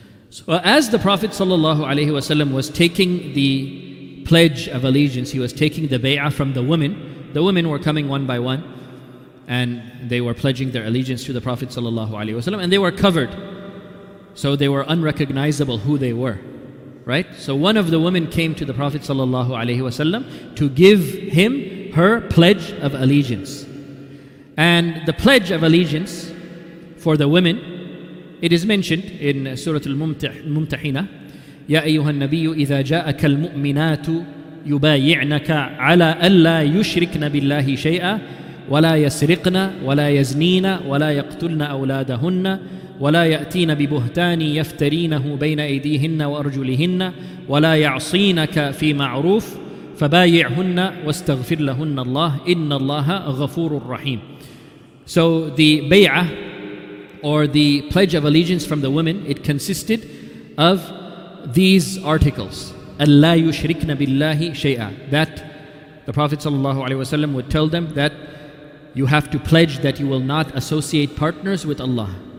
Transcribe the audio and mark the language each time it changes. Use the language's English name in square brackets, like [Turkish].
[English] So as the Prophet ﷺ was taking the pledge of allegiance, he was taking the bay'ah from the women were coming one by one. And they were pledging their allegiance to the Prophet ﷺ, and they were covered. So they were unrecognizable who they were, right? So one of the women came to the Prophet ﷺ to give him her pledge of allegiance. And the pledge of allegiance for the women, it is mentioned in Surah Al-Mumtahina, [Arabic] يَا أَيُّهَا النَّبِيُّ إِذَا جَاءَكَ الْمُؤْمِنَاتُ يُبَايِعْنَكَ عَلَىٰ أَلَّا يُشْرِكْنَ بِاللَّهِ شَيْئًا ولا يسرقن ولا يزنين ولا يقتلن أولادهن ولا يأتين ببهتان يفترينه بين أيديهن وأرجلهن ولا يعصينك في معروف فبايعهن واستغفر لهن الله إن الله غفور رحيم. [English] So the bay'ah or the pledge of allegiance from the women, it consisted of these articles. [Arabic] ألا يشركن بالله شيئا. [English] That the Prophet [Arabic] صلى الله عليه وسلم [English] would tell them that you have to pledge that you will not associate partners with Allah.